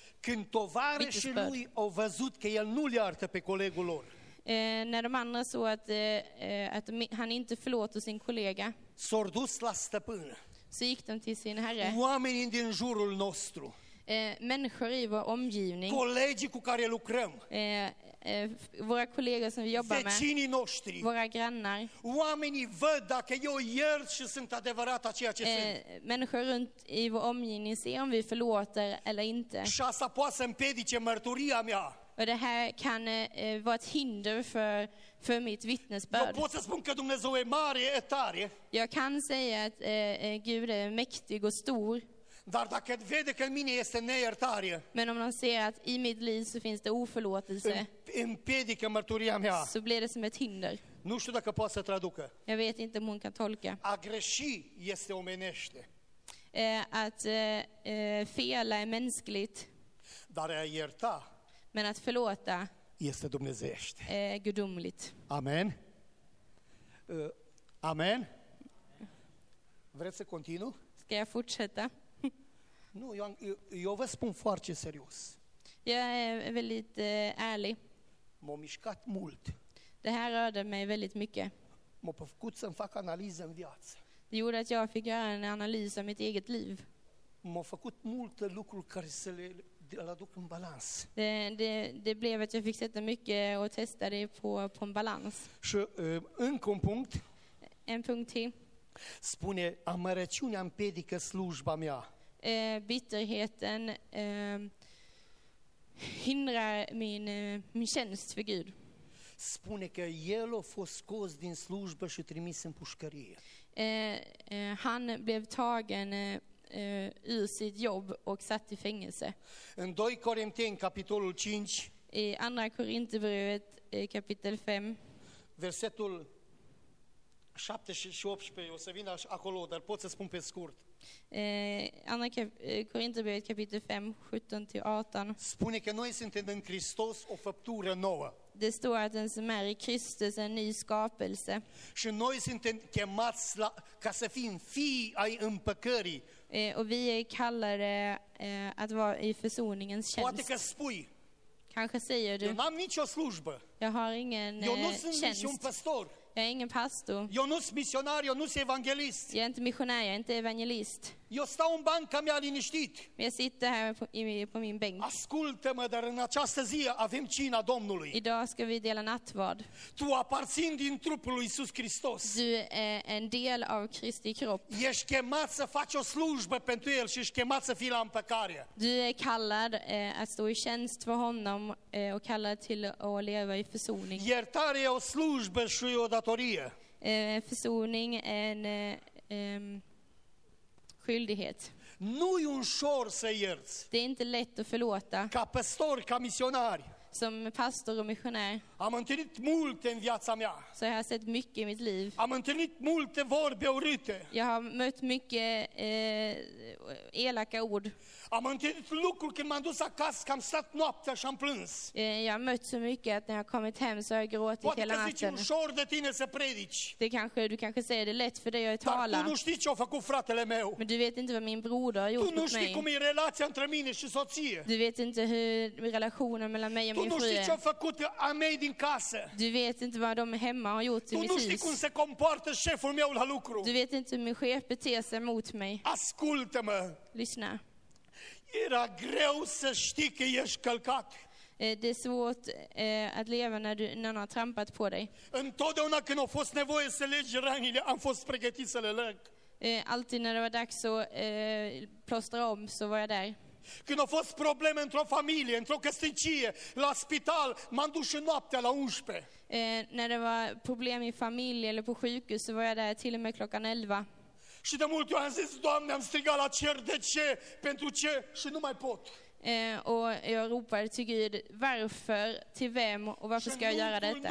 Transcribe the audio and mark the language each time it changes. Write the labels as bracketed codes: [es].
[ro] Când tovarășii lui au văzut că el nu iartă pe colegul lor. [sv] När de andra såg att han inte förlåter sin kollega. [ro] S-au dus la stăpân. [sv] Så gick de till sin herre. [ro] Oamenii din jurul nostru. [sv] Människor i vår omgivning. [ro] Colegii cu care lucrăm. [sv] Våra kollegor som vi jobbar med. [ro] Vecinii noștri. [sv] Våra grannar. [ro] Oamenii văd dacă eu iert și sunt adevărat a ceea ce sunt. [sv] Människor runt i vår omgivning ser om vi förlåter eller inte. [ro] Și asta poate să împiedice mărturia mea. [sv] Och det här kan vara ett hinder för mitt vittnesbörd. Jag kan [ro] spunka Dumnezeu e mare e tare. [sv] Jag kan säga att Gud är mäktig och stor. [ro] Dar dacă vede că mine este neiertare. [sv] Men om man ser att i mitt liv så finns det oförlåtelse. [ro] Împiedică mărturia mea. [sv] Så blir det som ett hinder. [ro] Nu știu dacă poate să traducă. [sv] Jag vet inte om hon kan tolka. [ro] A greși este omenește. [sv] Att fela är mänskligt. [ro] Dar a ierta. [sv] Men att förlåta [ro] este dumnezeiește. [sv] Gudomligt. [ro] Amen. Amen. Vreți să continu? [sv] Ska jag fortsätta? [ro] Nu, eu vă spun foarte serios. [sv] Jag är väldigt ärlig. [ro] M-a mișcat mult. [sv] Det här rörde mig väldigt mycket. [ro] M-a făcut să-mi fac analiză în viață. [sv] Det gjorde att jag fick göra en analys av mitt eget liv. [ro] M-a făcut multe lucruri care să le aduc în balans. [sv] Det blev att jag fick sätta mycket och testa det på en balans. [ro] Și încă un punct. [sv] En punkt till. [ro] Spune, amărăciunea împiedică slujba mea. [sv] Bitterheten hindrar min tjänst för Gud. [ro] Spune că el a fost scos din slujbă și trimis în pușcărie. [sv] Han blev tagen ur sitt jobb och satt i fängelse. [ro] În 2 Corinteni capitolul 5. [sv] I andra Korintherbrevet kapitel 5. [ro] Versetul 7 și 18, o să vin acolo, dar pot să spun pe scurt. [sv] Andra Korintherbrevet kapitel 5, 17-18. [ro] Spune că noi suntem în Hristos o făptură nouă. [sv] Det står att den som är i Kristus är en ny skapelse. [ro] Și noi suntem chemați la, ca să fim fii ai împăcării. [sv] Och vi är kallade att vara i försoningens tjänst. [ro] Poate că spui. [sv] Kanske säger du. [ro] Eu n-am nicio slujbă. [sv] Jag har ingen tjänst. [ro] Eu nu sunt un pastor. [sv] Jag är ingen pastor. [ro] Eu nu sunt misionar, eu nu sunt evangelist. [sv] Jag är inte missionär, jag är inte evangelist. [ro] Eu stau în banca mea liniștit. [sv] Jag sitter här på min bänk. [ro] Ascultă-mă, dar în această zi avem cina Domnului. [sv] Idag ska vi dela nattvard. [ro] Tu aparțin din trupul lui Iisus Hristos. [sv] Du är en del av Kristi kropp. [ro] Ești chemat să faci o slujbă pentru El și ești chemat să fii la împăcare. [sv] Du är kallad att stå i tjänst för honom och kallad till att leva i försoning. [ro] Iertare e o slujbă și o datorie. [sv] Försoning är en skyldighet. [ro] Nu e un șor să ierți. [sv] Det är inte lätt att förlåta. [ro] Ca pastor, ca misionar. [sv] Som pastor och missionär. [ro] Am întâlnit multe în viața mea. [sv] Så jag har sett mycket i mitt liv. [ro] Am întâlnit multe vorbe urite. [sv] Jag har mött mycket elaka ord. [ro] Am întâlnit lucruri când m-am dus acasă, că am stat noaptea și am plâns. [sv] Jag har mött så mycket att när jag kommit hem så har jag gråtit hela natten. [ro] Poate că zici un șor de tine să predici. [sv] Det kanske, du kanske säger det lätt för dig att tala. [ro] Dar tu nu știi ce-a făcut fratele meu. [sv] Men du vet inte vad min broder har gjort mot mig. [ro] Tu nu știi cum e relația între mine și soție. [sv] Du vet inte hur relationen mellan mig och min fru. [ro] Tu nu știi ce-a făcut a mei din casă. [sv] Du vet inte vad de hemma har gjort i mitt hus. [ro] Tu nu știi cum se comportă șeful meu la lucru. [sv] Du vet inte hur min chef beter sig mot mig. [ro] Ascultă-mă. [sv] Lyssna. [ro] Era greu să știi că ești călcat. [sv] Det är svårt att leva när någon har trampat på dig. [ro] Întotdeauna când a fost nevoie să legi rănile, am fost pregătit să le leg. [sv] Alltid när det var dags att plåstra om så var jag där. [ro] Când a fost probleme într-o familie, într-o căsnicie, la spital, m-am dus și noaptea la 11. [sv] När det var problem i familie eller på sjukhus så var jag där till och med klockan 11. [ro] Și de multe ori am zis, Doamne, am strigat la cer, de ce, pentru ce, și nu mai pot. [sv] Och jag ropade till Gud, varför, till vem och varför ska jag göra detta?